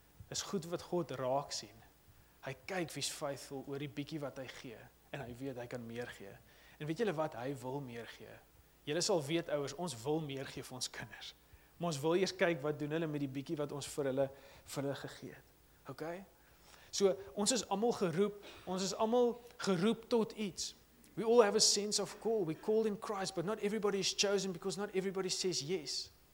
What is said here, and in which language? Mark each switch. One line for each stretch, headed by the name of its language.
Afrikaans: Is goed wat God raak sien. Hy kyk wie's faithful oor die bietjie wat hy gee en hy weet hy kan meer gee. En weet julle wat hy wil meer gee? Julle sal weet ouers, ons wil meer gee vir ons kinders. Maar ons wil eers kyk wat doen hulle met die bietjie wat ons vir hulle gegee het. OK? So ons is almal geroep, tot iets.
English: We all have a sense of call. We called in Christ, but not everybody is chosen because not everybody says yes.